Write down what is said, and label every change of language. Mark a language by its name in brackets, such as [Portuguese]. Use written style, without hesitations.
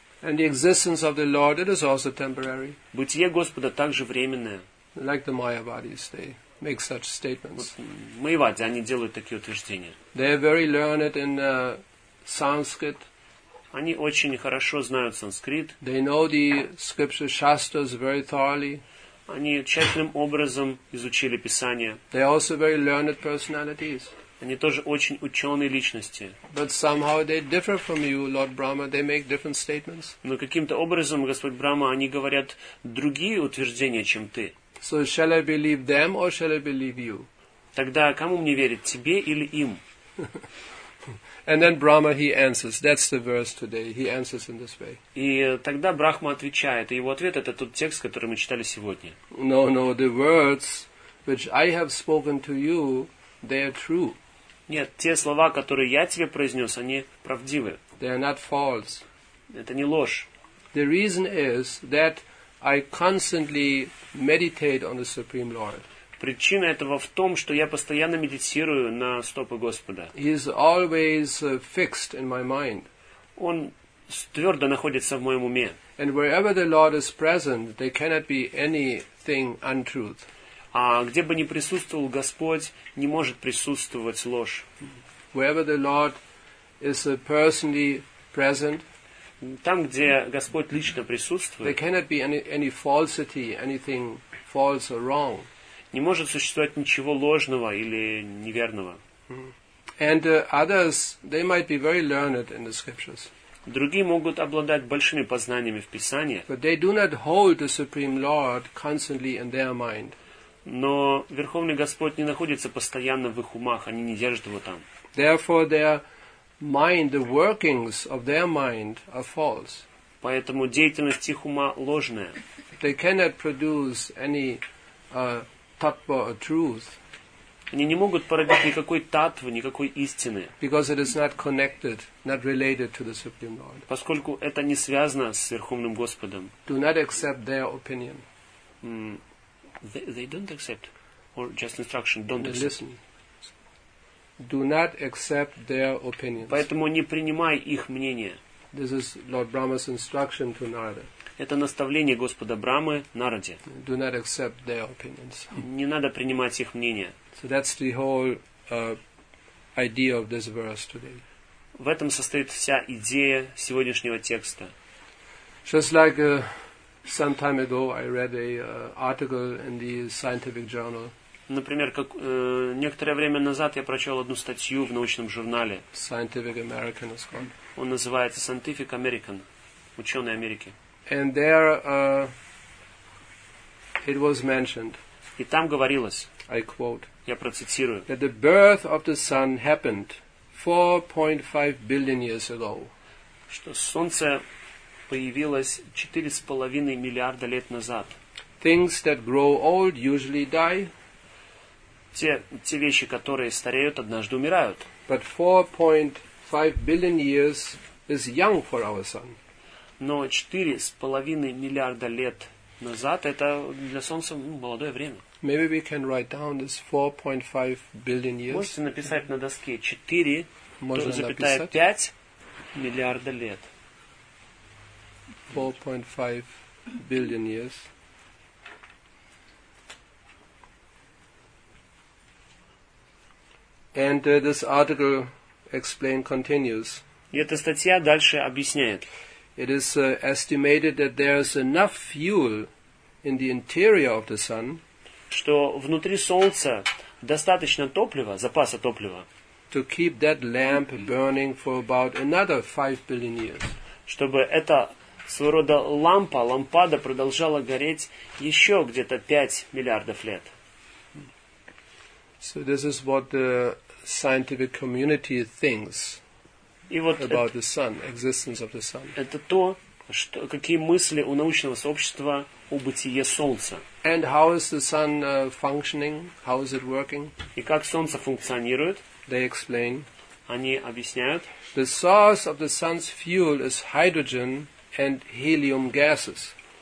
[English] And the existence of the Lord, it is also temporary. [Russian] Бытие Господа также временное. [English] Like the Maya bodies, they make such statements. [Russian] Вот, майявади, они делают такие утверждения. [English] They are very learned in Sanskrit. [Russian] Они очень хорошо знают санскрит. [English] They know the scriptures, shastras very thoroughly. [Russian] Они тщательным образом изучили Писание. [English] They are also very learned personalities. [Russian] Они тоже очень ученые личности. [English] But somehow they differ from you, Lord Brahma. They make different statements. [Russian] Но каким-то образом, Господь Брама, они говорят другие утверждения, чем ты. [English] So shall I believe them or shall I believe you? [Russian] Тогда кому мне верить, тебе или им? [English] And then Brahma he answers. That's the verse today. He answers in this way. [Russian] И тогда Брахма отвечает, и его ответ это тот текст, который мы читали сегодня. [English] No, no, the words which I have spoken to you, they are true. [Russian] Нет, те слова, которые я тебе произнес, они правдивы. [English] They are not false. [Russian] Это не ложь. [English] The reason is that I constantly meditate on the Supreme Lord. [Russian] Причина этого в том, что я постоянно медитирую на стопы Господа. [English] He is always fixed in my mind. [Russian] Он твердо находится в моем уме. [English] And wherever the Lord is present, there cannot be anything untrue. [Russian] А где бы ни присутствовал Господь, не может присутствовать ложь. [English] Wherever the Lord is personally present, [Russian] там, где Господь лично присутствует, [English] there cannot be any falsity, anything false or wrong. [Russian] Не может существовать ничего ложного или неверного. [English] And others, they might be very learned in the scriptures. [Russian] Другие могут обладать большими познаниями в Писании. [English] But they do not hold the Supreme Lord constantly in their mind. [Russian] Но Верховный Господь не находится постоянно в их умах, они не держат его там. [English] Therefore, their mind, the workings of their mind are false. [Russian] Поэтому деятельность их ума ложная. [English] They cannot produce any tattva or truth. [Russian] Они не могут породить никакой таттвы, никакой истины. [English] Because it is not connected, not related to the Supreme Lord. [Russian] Поскольку это не связано с Верховным Господом. [English] Do not accept their opinion. They don't accept, or just instruction, don't accept. Listen. Do not accept their opinions. [Russian] Поэтому не принимай их мнение. [English] This is Lord Brahma's instruction to Narada. [Russian] Это наставление Господа Брамы Нараде. [English] Do not accept their opinions. [Russian] Не надо принимать их мнение. [English] So that's the whole idea of this verse today. [Russian] В этом состоит вся идея сегодняшнего текста. [English] Just like some time ago, I read a article in the scientific journal. [Russian] Например, как некоторое время назад я прочел одну статью в научном журнале. [English] Scientific American, it's called. [Russian] Он называется Scientific American, ученые Америки. [English] And there it was mentioned. [Russian] И там говорилось. [English] I quote. [Russian] Я процитирую. [English] That the birth of the sun happened 4.5 billion years ago. [Russian] Что солнце появилось 4.5 миллиарда лет назад. [English] Things that grow old usually die. [Russian] Те вещи, которые стареют, однажды умирают. [English] But 4.5 billion years is young for our sun. [Russian] Но 4.5 миллиарда лет назад это для солнца молодое время. [English] Maybe we can write down this 4.5 billion years. [Russian] Можете написать на доске 4.5 миллиарда лет. [English] 4.5 billion years. And this article explain continues. [Russian] И эта статья дальше объясняет. [English] It is estimated that there is enough fuel in the interior of the sun. [Russian] Что внутри солнца достаточно топлива, запаса топлива. [English] To keep that lamp burning for about another 5 billion years. [Russian] Чтобы эта своего рода лампада продолжала гореть еще где-то 5 миллиардов лет. [English] So this is what the scientific community thinks about the sun, existence of the sun. [Russian] Это то, что какие мысли у научного сообщества о бытии солнца. [English] And how is the sun functioning? How is it working? [Russian] И как солнце функционирует? [English] They explain. [Russian] Они объясняют. [English] The source of the sun's fuel is hydrogen and helium gases.